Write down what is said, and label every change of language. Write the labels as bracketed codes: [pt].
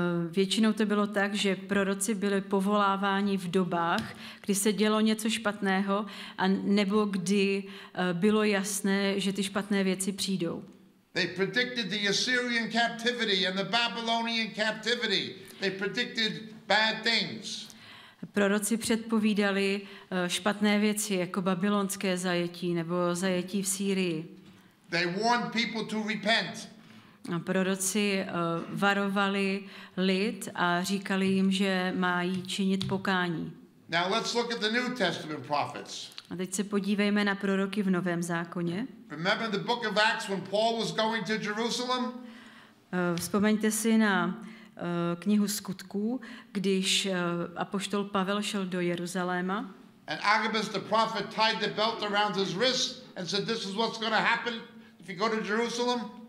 [cs] Většinou to bylo tak, že proroci byli povoláváni v dobách, kdy se dělo něco špatného, a nebo kdy bylo jasné, že ty špatné věci přijdou. [en] They predicted the Assyrian captivity and the Babylonian captivity. They predicted bad things. [cs] Proroci předpovídali špatné věci, jako babylonské zajetí nebo zajetí v Sýrii. [en] They warned people to repent. [cs] A proroci varovali lid a říkali jim, že mají činit pokání. [en] Now let's look at the New Testament prophets. [cs] A teď se podívejme na proroky v Novém zákoně. [en] Remember the book of Acts when Paul was going to Jerusalem? [cs] Vzpomeňte si na knihu Skutků, když apoštol Pavel šel do Jeruzaléma. [en] And Agabus the prophet tied the belt around his wrist and said, this is what's going to happen if you go to Jerusalem.